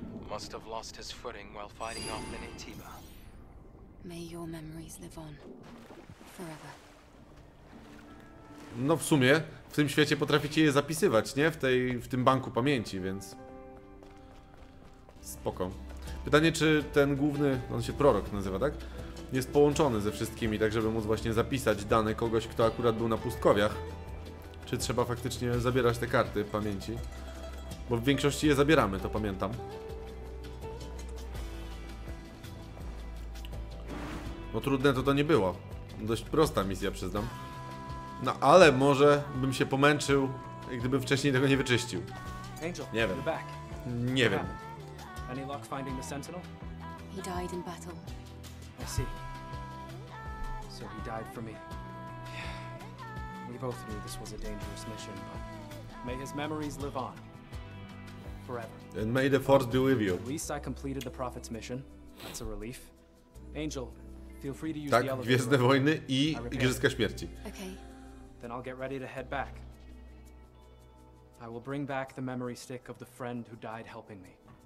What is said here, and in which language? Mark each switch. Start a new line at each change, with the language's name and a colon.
English: Must have lost his footing while fighting off the Nativa. May your memories live on forever.
Polish: No w sumie, w tym świecie potraficie je zapisywać, nie? W tym banku pamięci, więc... Spoko. Pytanie, czy ten główny, on się prorok nazywa, tak? Jest połączony ze wszystkimi, tak żeby móc właśnie zapisać dane kogoś, kto akurat był na pustkowiach. Czy trzeba faktycznie zabierać te karty pamięci? Bo w większości je zabieramy, to pamiętam. No trudne to nie było. Dość prosta misja, przyznam. No ale może bym się pomęczył, gdyby wcześniej tego nie wyczyścił.
English: Angel,
Polish: nie wiem. Nie wiem.
English: Any luck finding the sentinel? He died in battle. I see. So he died for me. We both knew this was a dangerous mission, but may his memories live on. Forever. And may the force be with you. At least I completed the prophet's mission. That's a relief. Angel, feel free to use
Polish: tak,
English: the elevator.
Polish: Gwiezdne wojny i Igrzyska Śmierci.
English: Okay. Then I'll get ready to head back. I will bring back the memory stick of the friend who died helping me.